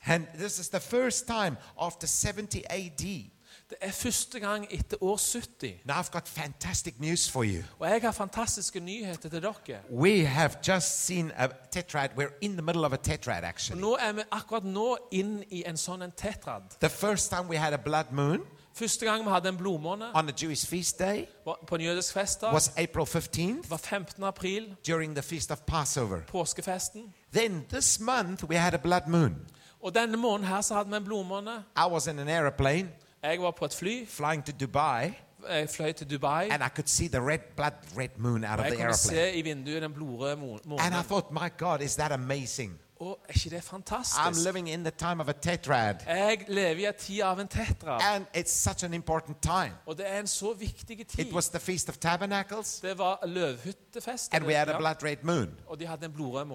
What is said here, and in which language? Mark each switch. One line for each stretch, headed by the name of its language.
English: And this is the first time after 70 AD.
Norwegian: Det første gang etter år 70.
English: Now I've got fantastic news for you.
Norwegian: Og jeg har fantastiske nyheter til dere.
English: We have just seen a tetrad. We're in the middle of a tetrad, actually.
Norwegian: Nå vi akkurat nå inn I en sånn en tetrad.
English: The first time we had a blood moon.
Norwegian: Første gang vi hadde en blodmåne.
English: On a Jewish feast day.
Norwegian: På en jødisk festdag.
English: Was April 15th.
Norwegian: Var 15. April.
English: During the feast of Passover.
Norwegian: Påskefesten.
English: Then this month we had a blood moon.
Norwegian: Og denne måneden her så hadde vi en blodmåne.
English: I was in an airplane.
Norwegian: Jeg var på et fly,
English: flying to Dubai.
Norwegian: Jeg fløy til Dubai.
English: And I could see the red blood red moon out of the airplane.
Norwegian: Jeg kunne se I vinduet den blodrøde månen.
English: And I thought, my God, is that amazing?
Norwegian: Oh, ikke det fantastisk?
English: I'm living in the time of a tetrad.
Norwegian: Jeg lever I tid av en tetrad.
English: And it's such an important time.
Norwegian: Og det en så viktig tid.
English: It was the Feast of Tabernacles.
Norwegian: Det var løvhyttefest.
English: And we had a blood red moon.
Norwegian: Og de hadde en blodrød måne.